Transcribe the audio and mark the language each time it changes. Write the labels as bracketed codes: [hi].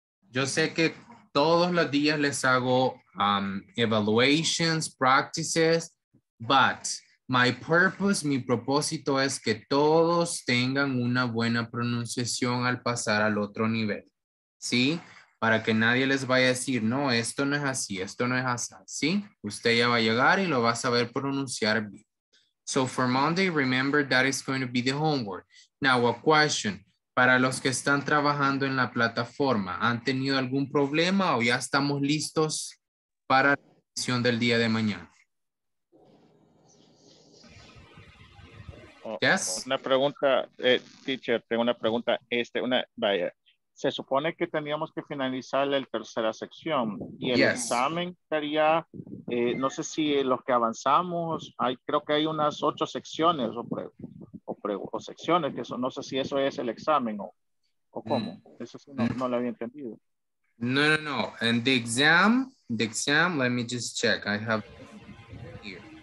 [es] Yo sé que todos los días les hago [en] evaluations, practices, but... My purpose, [es] mi propósito es que todos tengan una buena pronunciación al pasar al otro nivel, ¿sí? Para que nadie les vaya a decir, no, esto no es así, esto no es así, ¿sí? Usted ya va a llegar y lo va a saber pronunciar bien. [en] So for Monday, remember that is going to be the homework. Now a question, [es] para los que están trabajando en la plataforma, ¿han tenido algún problema o ya estamos listos para la sesión del día de mañana? [en] Yes. [es] Una pregunta, teacher, tengo una pregunta. Vaya, se supone que teníamos que finalizar la tercera sección y el yes. examen sería, no sé si los que avanzamos, hay, creo que hay unas 8 secciones o secciones, que son, no sé si eso es el examen o cómo, eso sí no lo había entendido. [en] No, no, no, and the exam, let me just check, I have here.